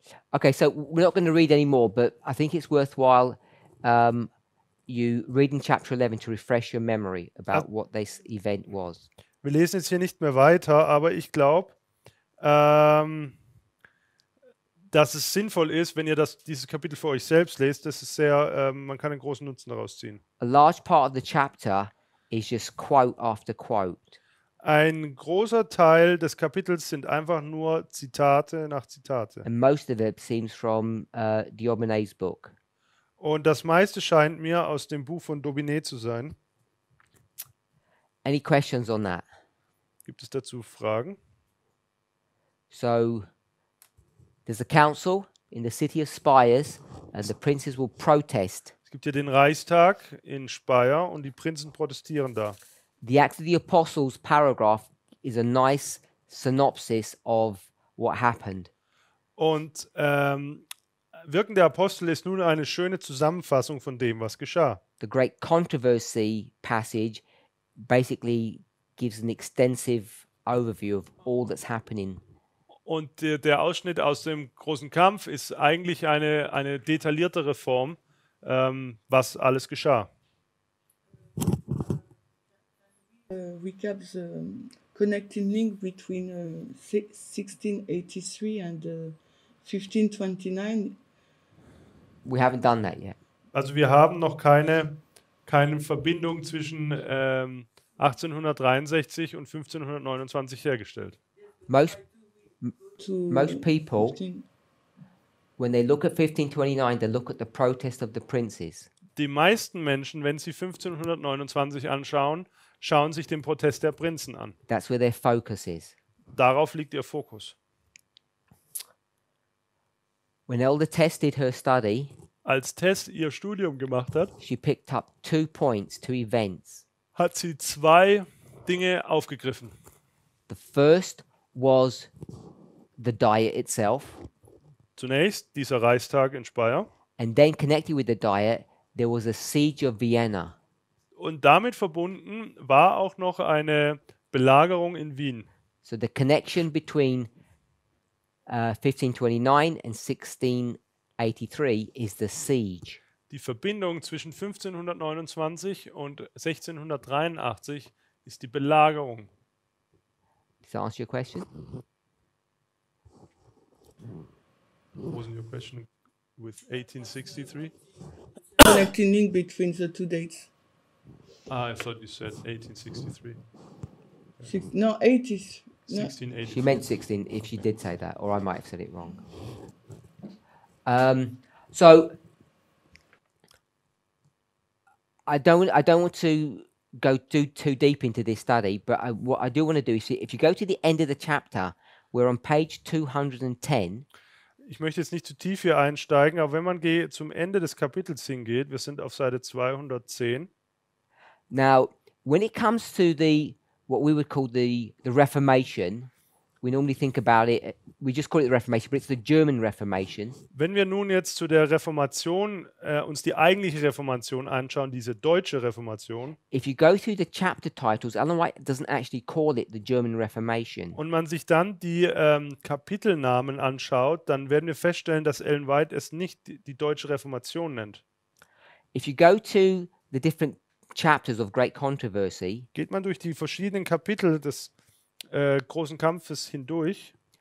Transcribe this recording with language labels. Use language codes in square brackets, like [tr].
[en] Okay, so we're not going to read any more, but I think it's worthwhile you read in chapter 11 to refresh your memory about what this event was. [de] Wir lesen jetzt hier nicht mehr weiter, aber ich glaube, dass es sinnvoll ist, wenn ihr dieses Kapitel für euch selbst lest. Das ist sehr, man kann einen großen Nutzen daraus ziehen. [en] A large part of the chapter is just quote after quote. [de] Ein großer Teil des Kapitels sind einfach nur Zitate nach Zitate. [en] And most of it seems from D'Aubigné's book. [de] Und das meiste scheint mir aus dem Buch von D'Aubigné zu sein. [en] Any questions on that? [de] Gibt es dazu Fragen? [en] So, there's a council in the city of Spires, and the princes will protest. [de] Es gibt hier den Reichstag in Speyer und die Prinzen protestieren da. [en] The Acts of the Apostles paragraph is a nice synopsis of what happened. [de] Und Wirken der Apostel ist nun eine schöne Zusammenfassung von dem, was geschah. [en] The Great Controversy passage basically gives an extensive overview of all that's happening. [de] Und der Ausschnitt aus dem großen Kampf ist eigentlich eine detailliertere Form. Was alles geschah. [en] Recap the connecting link between 1683 and 1529. We haven't done that yet. [de] Also wir haben noch keine Verbindung zwischen 1863 und 1529 hergestellt. [en] Most people, when they look at 1529, they look at the protest of the princes. [de] Die meisten Menschen, wenn sie 1529 anschauen, schauen sich den Protest der Prinzen an. [en] That's where their focus is. [de] Darauf liegt ihr Fokus. [en] When Elder tested her study, [de] als Tess ihr Studium gemacht hat, [en] she picked up two points, two events. [de] Hat sie zwei Dinge aufgegriffen. [en] The first was the diet itself. [de] Zunächst dieser Reichstag in Speyer. [en] And then connected with the diet, there was a siege of Vienna. [de] Und damit verbunden war auch noch eine Belagerung in Wien. [en] So the connection between 1529 and 16 1523 is the siege. [de] Die Verbindung zwischen 1529 und 1683 ist die Belagerung. [en] Does that answer your question? What was your question with 1863? Connecting link between the two dates. Ah, I thought you said 1863. No, 80s. 1683. She meant 16, if she did say that, or I might have said it wrong. So I don't want to go too deep into this study, but what I do want to do is, if you go to the end of the chapter, we're on page 210. [de] Ich möchte jetzt nicht zu tief hier einsteigen, aber wenn man zum Ende des Kapitels hingeht, wir sind auf Seite 210. [en] Now, when it comes to the what we would call the Reformation, we normally think about it, we just call it the Reformation, but it's the German Reformation. [de] Wenn wir nun jetzt zu der Reformation, uns die eigentliche Reformation anschauen, diese deutsche Reformation. [en] If you go through the chapter titles, Ellen White doesn't actually call it the German Reformation. [de] Und man sich dann die Kapitelnamen anschaut, dann werden wir feststellen, dass Ellen White es nicht die deutsche Reformation nennt. [en] If you go to the different chapters of Great Controversy. [de] Geht man durch die verschiedenen Kapitel des großen Kampfes hindurch.